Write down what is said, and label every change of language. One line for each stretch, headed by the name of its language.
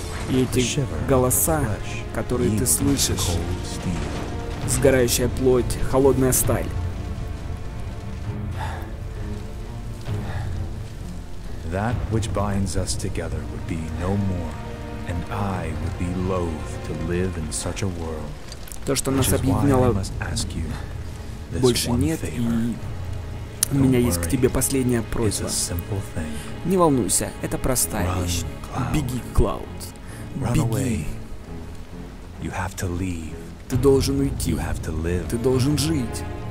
Russian: И эти голоса, которые ты слышишь, сгорающая плоть, холодная сталь.
English: That which binds us together would be no more, and I would be loath to live in such a world.
Russian: То, что нас объединяло, больше нет, и у меня есть к тебе последняя просьба. Не волнуйся, это простая вещь. Беги, Клауд. Беги. Ты должен уйти. Ты должен жить.